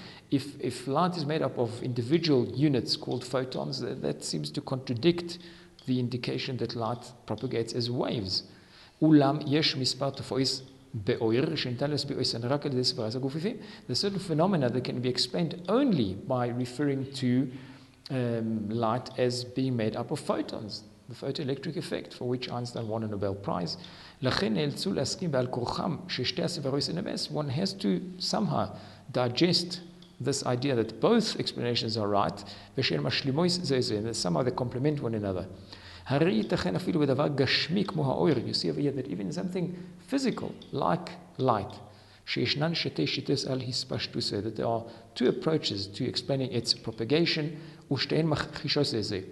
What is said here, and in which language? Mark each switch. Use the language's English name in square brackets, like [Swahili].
[English] If light is made up of individual units called photons, that seems to contradict the indication that light propagates as waves. [Hebrew] אולם יש מספר תופעות באור שניתן להסביר אוסן רק על ידי סברת הגופיפים. [English] There's certain phenomena that can be explained only by referring to light as being made up of photons, the photoelectric effect for which Einstein won a Nobel Prize. [Hebrew] לכן נאלצו להסכים בעל כורחם ששתי הסברות אוסן אמס. [English] One has to somehow digest this idea that both explanations are right, [Hebrew] ושהן משלימות זה זה, [English] and somehow they complement one another. [Hebrew] הרי ייתכן אפילו בדבר גשמי כמו האור, [English] you see here that even something physical, like light, [Hebrew] שישנן שתי שיטות על הספשטוס, [English] that there are two approaches to explaining its propagation, [Hebrew] ושתיהן מכחישות זה.